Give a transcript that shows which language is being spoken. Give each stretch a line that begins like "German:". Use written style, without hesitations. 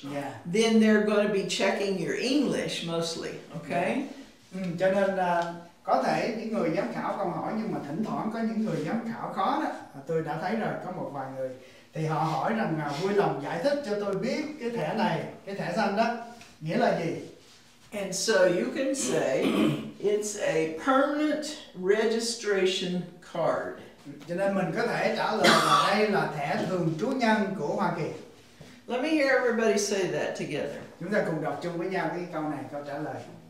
English: yeah, then they're going to be checking your English mostly, okay?
Vietnamese: Cho nên có thể những người giám khảo không hỏi, nhưng mà thỉnh thoảng có những người giám khảo khó đó. Tôi đã thấy rồi, có một vài người thì họ hỏi rằng vui lòng giải thích cho tôi biết cái thẻ này, cái thẻ xanh đó nghĩa là gì.
English: And so you can say it's a permanent registration card.
Vietnamese: Cho nên mình có thể trả lời là đây là thẻ thường trú nhân của Hoa Kỳ.
English: Let me hear everybody say that together.
Vietnamese: Chúng ta cùng đọc chung với nhau cái câu này, câu trả lời.